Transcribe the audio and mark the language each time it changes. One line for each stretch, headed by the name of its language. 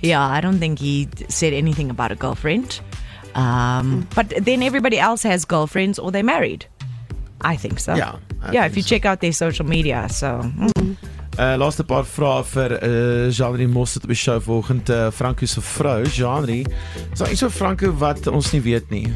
English: Yeah, I don't think he said anything about a girlfriend. But then everybody else has girlfriends or they're married. I think so. Yeah. Yeah, if you check out their social media, so.
Afrikaans: Laaste paar vrae vir Jeanri Mossel op die show volgend. Franco se vrou, Jeanri. Is daar iets van Franco wat ons nie weet nie?